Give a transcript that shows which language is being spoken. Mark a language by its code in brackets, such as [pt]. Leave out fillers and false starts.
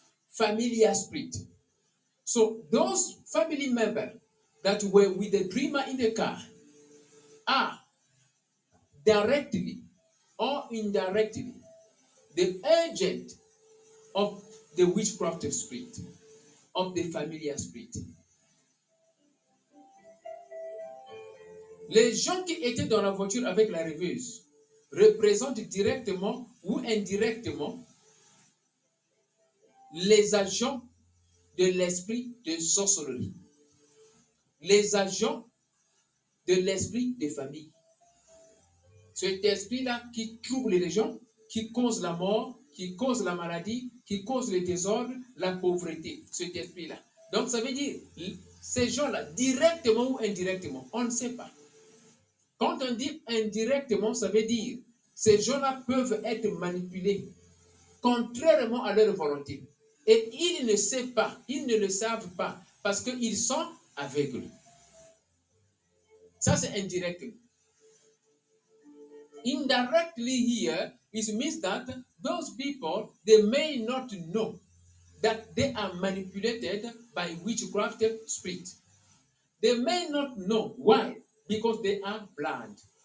[en] Familiar spirit. So those family members that were with the dreamer in the car are directly or indirectly the agent of the witchcraft spirit, of the familiar spirit. [fr] Les gens qui étaient dans la voiture avec la rêveuse représentent directement ou indirectement les agents de l'esprit de sorcellerie, les agents de l'esprit de famille. Cet esprit-là qui trouble les gens, qui cause la mort, qui cause la maladie, qui cause le désordre, la pauvreté, cet esprit-là. Donc, ça veut dire, ces gens-là, directement ou indirectement, on ne sait pas. Quand on dit indirectement, ça veut dire, ces gens-là peuvent être manipulés contrairement à leur volonté. Et ils ne savent pas, ils ne le savent pas, parce qu'ils sont aveugles. Ça, c'est indirectement. [en] Indirectly here, it means that those people, they may not know that they are manipulated by witchcraft spirit. They may not know. Why? Because they are blind.